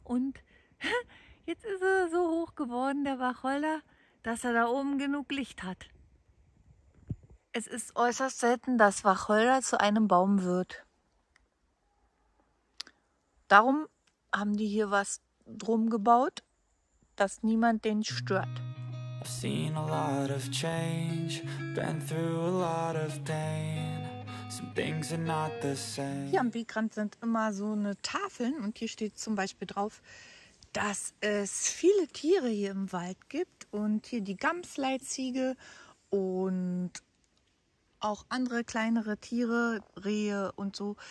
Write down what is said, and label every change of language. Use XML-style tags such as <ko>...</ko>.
<de>Und jetzt ist er so hoch geworden, der Wacholder, dass er da oben genug Licht hat. Es ist äußerst selten, dass Wacholder zu einem Baum wird. Darum haben die hier was drum gebaut, dass niemand den stört.</de> <en>I've seen a lot of change, been through a lot of pain. Things are not the same.</en> <de>Hier am Wegrand sind immer so eine Tafeln und hier steht zum Beispiel drauf, dass es viele Tiere hier im Wald gibt und hier die Gamsleitziege und auch andere kleinere Tiere, Rehe und so.</de>